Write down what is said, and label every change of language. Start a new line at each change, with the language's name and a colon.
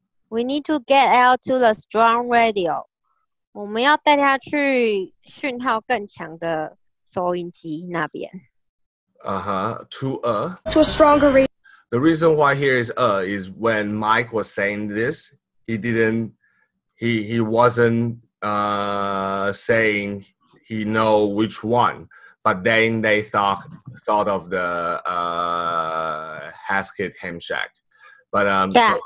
English: We need to get L to the strong radio.
Chinese: 我们要带他去讯号更强的收音机那边。
English: To a stronger radio. The reason why here is when Mike was saying this, he wasn't saying he know which one, but then they thought of the Haskett Ham Shack. But yeah.